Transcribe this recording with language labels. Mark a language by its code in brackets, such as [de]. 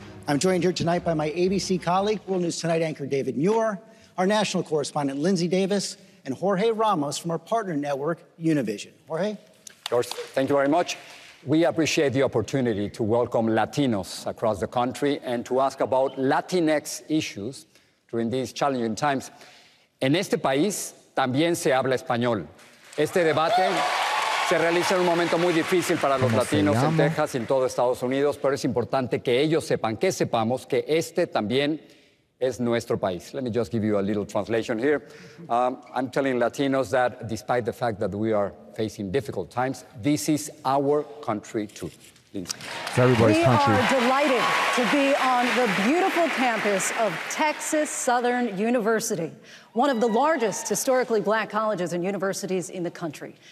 [en] I'm joined here tonight by my ABC colleague, World News Tonight anchor David Muir, our national correspondent Lindsay Davis, and Jorge Ramos from our partner network, Univision. Jorge? George, thank you very much. We appreciate the opportunity to welcome Latinos across the country and to ask about Latinx issues during these challenging times. [es] En este país, también se habla español. Este debate se realiza en un momento muy difícil para los latinos en Texas y en todo Estados Unidos, pero es importante que ellos sepan, que sepamos que este también es nuestro país. [en] Let me just give you a little translation here. I'm telling Latinos that despite the fact that we are facing difficult times, this is our country too. It's everybody's we country. We are delighted to be on the beautiful campus of Texas Southern University, one of the largest historically black colleges and universities in the country.